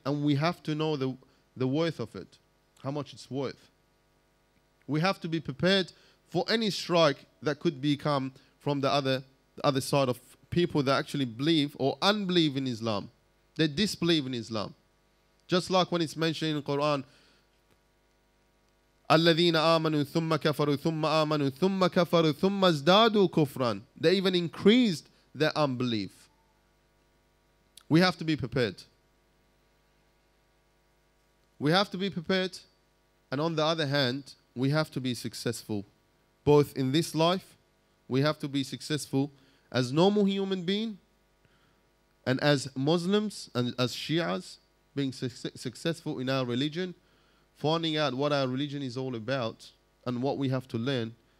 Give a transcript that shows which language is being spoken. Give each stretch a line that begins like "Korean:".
English: And we have to know the worth of it, how much it's worth. We have to be prepared for any strike that could come from the other side of people that actually believe or unbelieve in Islam. They disbelieve in Islam. Just like when it's mentioned in the Quran,
Arabic: الَّذِينَ آمَنُوا ثُمَّ كَفَرُوا ثُمَّ آمَنُوا ثُمَّ كَفَرُوا ثُمَّ ازْدَادُوا كُفْرًا.
English: They even increased their unbelief. We have to be prepared. We have to be prepared. And on the other hand, we have to be successful. Both in this life, we have to be successful as normal human being, and as Muslims and as Shias, being successful in our religion, finding out what our religion is all about and what we have to learn.